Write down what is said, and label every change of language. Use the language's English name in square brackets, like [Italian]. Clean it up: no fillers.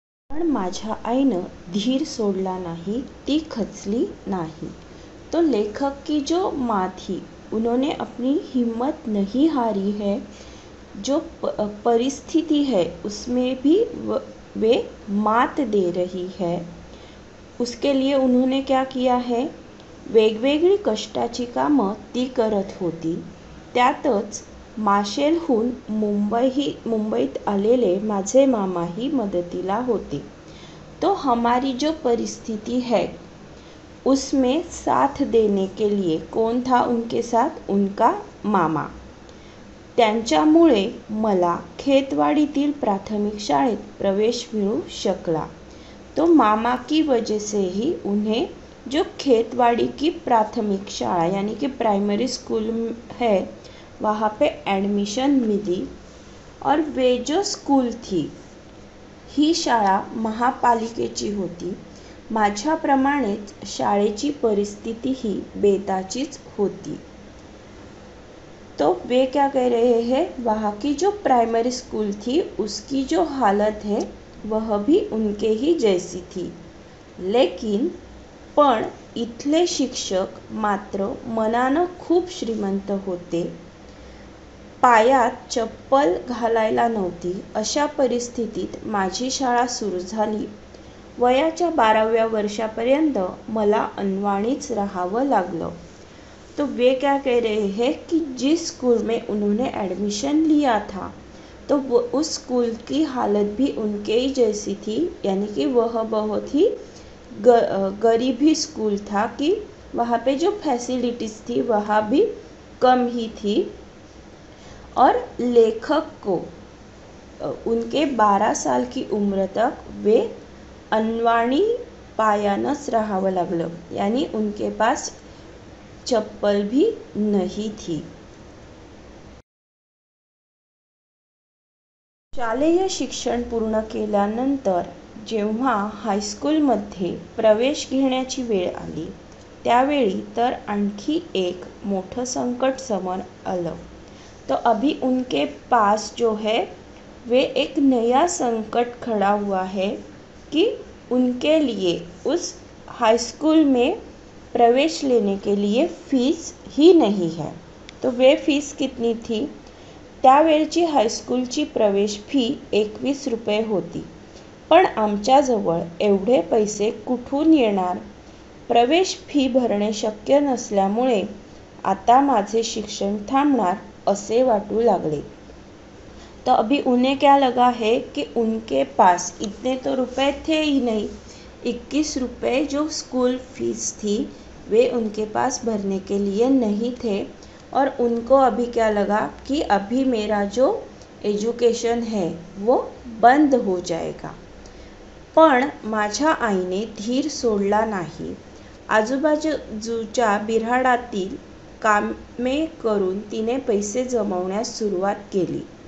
[Marathi] पण माझ्या आईनं धीर सोडला नाही, ती खचली नाही। [Hindi] तो लेखक की जो माँ थी उन्होंने अपनी हिम्मत नहीं हारी है, जो परिस्थिति है उसमें भी वे मात दे रही है, उसके लिए उन्होंने क्या किया है, [Marathi] वेगवेगळी कष्टाची काम ती करत होती। त्यातच माशेलहून मुंबईत आलेले माझे मामाही मदतीला होते। [Hindi] तो हमारी जो परिस्थिति है उसमें साथ देने के लिए कौन था उनके साथ? उनका मामा। [Marathi] त्यांच्यामुळे मला खेतवाडीतील प्राथमिक शाळेत प्रवेश मिळू शकला। [Hindi] तो मामा की वजह से ही उन्हें जो खेतवाड़ी की प्राथमिक शाला यानी कि प्राइमरी स्कूल है वहाँ पे एडमिशन मिली। और वे जो स्कूल थी [Marathi] ही शाला महापालिकेची होती, माझ्याप्रमाणेच शाळेची परिस्थिती ही बेताचीच होती। [Hindi] तो वे क्या कह रहे हैं, वहाँ की जो प्राइमरी स्कूल थी उसकी जो हालत है वह भी उनके ही जैसी थी, लेकिन [Marathi] पण इथले शिक्षक मात्र मनानं खूप श्रीमंत होते। पायात चप्पल घालायला नव्हती अशा परिस्थितीत माझी शाळा सुरू झाली। वयाच्या 12व्या वर्षापर्यंत मला अनवाणीच राहावं लागलं। [Hindi] तो वे क्या कह रहे हैं कि जिस स्कूल में उन्होंने ऐडमिशन लिया था तो वो उस स्कूल की हालत भी उनके ही जैसी थी, यानी कि वह बहुत ही गरीबी स्कूल था कि वहाँ पे जो फैसिलिटीज थी वहाँ भी कम ही थी। और लेखक को उनके 12 साल की उम्र तक वे अनवाणी [Marathi] पायानस रहावं लागलं, [Hindi] यानी उनके पास चप्पल भी नहीं थी। [Marathi] शालेय शिक्षण पूर्ण केल्यानंतर जेव्हा हायस्कूलमध्ये प्रवेश घेण्याची वेळ आली त्यावेळी तर आणखी एक मोठं संकट समोर आलं। [Hindi] तो अभी उनके पास जो है वे एक नया संकट खड़ा हुआ है कि उनके लिए उस हाईस्कूल में प्रवेश लेने के लिए फीस ही नहीं है। तो वे फीस कितनी थी? [Marathi] त्यावेळची हाईस्कूलची प्रवेश फी 21 रुपये होती, पण आमच्याजवळ एवढे पैसे कुठून येणार? प्रवेश फी भरणे शक्य नसल्यामुळे आता माझे शिक्षण थांबणार असे वाटू लागले। [Hindi] तो अभी उन्हें क्या लगा है कि उनके पास इतने तो रुपए थे ही नहीं, 21 रुपए जो स्कूल फीस थी वे उनके पास भरने के लिए नहीं थे। और उनको अभी क्या लगा कि अभी मेरा जो एजुकेशन है वो बंद हो जाएगा। [Marathi] पण माझ्या आईने धीर सोडला नाही। आजूबाजूच्या बिऱ्हाडातील कामे करून तिने पैसे जमवण्यास सुरुवात केली।